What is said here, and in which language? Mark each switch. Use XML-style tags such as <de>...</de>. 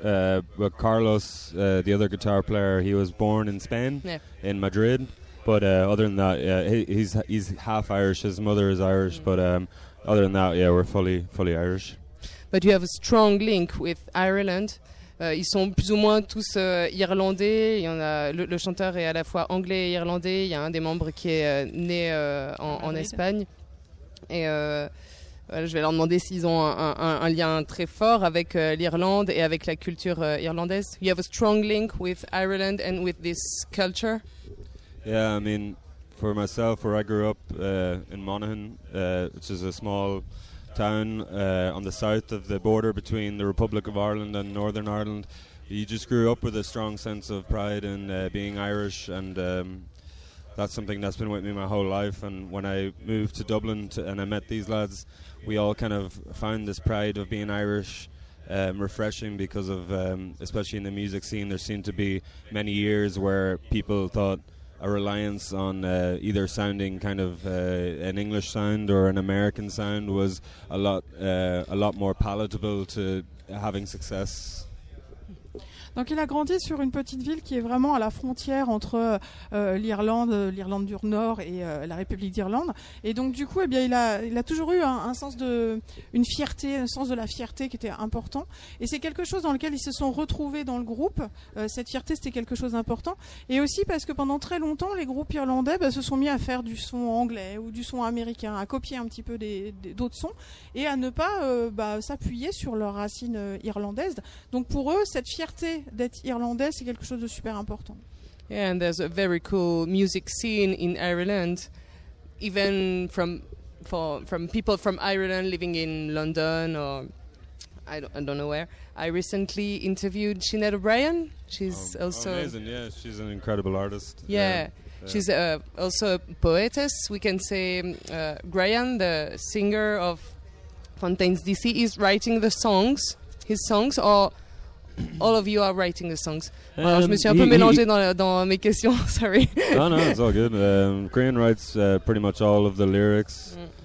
<en>But Carlos, the other guitar player, he was born in Spain, in Madrid. But other than that, he's half Irish. His mother is Irish. But other than that, yeah, we're fully Irish. But you have a strong link with Ireland.</en> <fr>Ils sont plus ou moins tous irlandais. Il y en a, le chanteur est à la fois anglais et irlandais. Il y a un des membres qui est né en Espagne. Et je vais leur demander s'ils ont un lien très fort avec l'Irlande et avec la culture irlandaise.</fr> <en>You have a strong link with Ireland and with this culture? Yeah, I mean, for myself, where I grew up in Monaghan, which is a small town on the south of the border between the Republic of Ireland and Northern Ireland, you just grew up with a strong sense of pride in being Irish, and that's something that's been with me my whole life. And when I moved to Dublin and I met these lads, we all kind of found this pride of being Irish refreshing, because of, especially in the music scene, there seemed to be many years where people thought a reliance on either sounding kind of an English sound or an American sound was a lot more palatable to having success.</en> <fr>Donc il a grandi sur une petite ville qui est vraiment à la frontière entre l'Irlande du Nord et la République d'Irlande. Et donc du coup, eh bien, il a toujours eu un sens de la fierté qui était important. Et c'est quelque chose dans lequel ils se sont retrouvés dans le groupe. Cette fierté, c'était quelque chose d'important. Et aussi parce que pendant très longtemps, les groupes irlandais se sont mis à faire du son anglais ou du son américain, à copier un petit peu d'autres sons et à ne pas s'appuyer sur leurs racines irlandaises. Donc pour eux, cette fierté d'être irlandais, c'est quelque chose de super important.</fr> <en>Yeah, and there's a very cool music scene in Ireland, even from people from Ireland living in London or I don't know where. I recently interviewed Sinead O'Brien. She's amazing. Yeah, she's an incredible artist. Yeah. She's also a poetess. We can say Graham, the singer of Fontaine's DC, is writing the songs. His songs are. All of you are writing the songs.</en> <fr>Alors, je me suis un peu mélangé dans mes questions, sorry.</fr> <en>No, no, it's all good. Crane writes pretty much all of the lyrics.</en>